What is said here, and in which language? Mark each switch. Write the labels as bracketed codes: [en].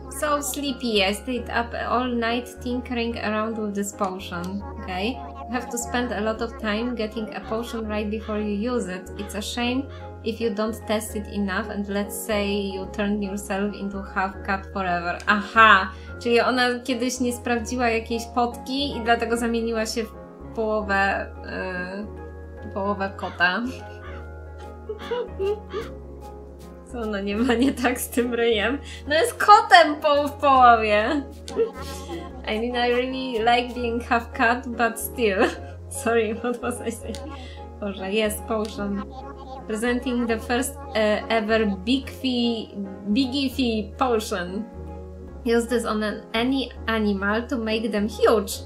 [en] So sleepy, I stayed up all night tinkering around with this potion. Okay. You have to spend a lot of time getting a potion right before you use it. It's a shame if you don't test it enough and let's say you turn yourself into half cat forever. Aha! [pl] Czyli ona kiedyś nie sprawdziła jakiejś potki i dlatego zamieniła się w połowę... połowę kota. Co ona nie ma nie tak z tym ryjem? No jest kotem w połowie! [en] I mean, I really like being half cat, but still. Sorry, what was I saying? Boże, yes, potion. Presenting the first ever biggie fee potion. Use this on any animal to make them huge.